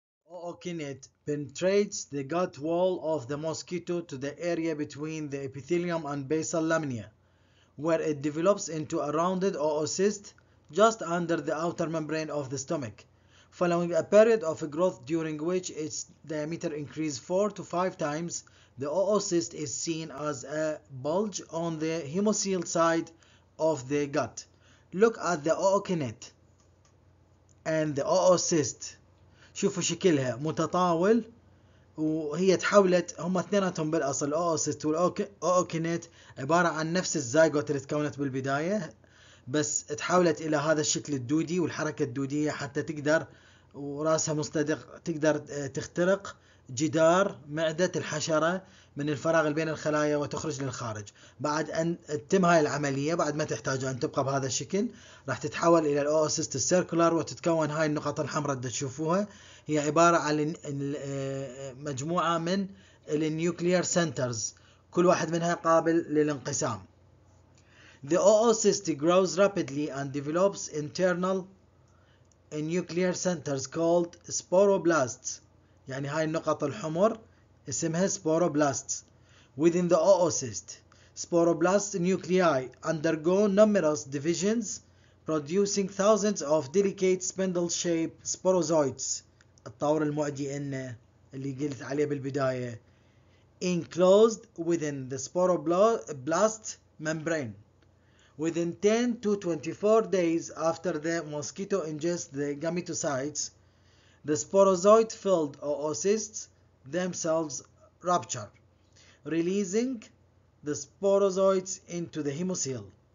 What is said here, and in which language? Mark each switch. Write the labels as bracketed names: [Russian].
[English] Oocinete penetrates the gut wall of the mosquito to the area between the epithelium and basal lamina, where it develops into a rounded oocyst just under the outer membrane of the stomach, following a period of growth during which its diameter increases 4 to 5 times. The oocyst is seen as a bulge on the hemocoel side of the gut. Look at the oocinete and the oocyst. [Arabic] شوفوا شكلها متطاول وهي تحولت، هما اثنيناتهم بالاصل الاوسيست والاوكينيت عبارة عن نفس الزايغوت اللي تكونت بالبداية، بس تحولت الى هذا الشكل الدودي والحركة الدودية حتى تقدر وراسها مستدق تقدر تخترق جدار معدة الحشرة من الفراغ بين الخلايا وتخرج للخارج. بعد ان تتم هاي العملية، بعد ما تحتاج ان تبقى بهذا الشكل، راح تتحول الى الاوسيست السيركولار وتتكون هاي النقطة الحمراء اللي تشوفوها، هي عبارة عن مجموعة من النيوكليير سنترز كل واحد منها قابل للانقسام. [English] The oocyst grows rapidly and develops internal nuclear centers called sporoblasts. [Arabic] يعني هاي النقط الحمر اسمها [English] sporoblasts within the oocyst. Sporoblast nuclei undergo numerous divisions producing thousands of delicate spindle-shaped sporozoites. [Arabic] الطور المعدي إنه اللي قلت عليه بالبداية [English] enclosed within the sporoblast membrane. Within 10 to 24 days after the mosquito ingests the gametocytes, the sporozoid-filled oocysts themselves rupture, releasing the sporozoids into the hemocoel.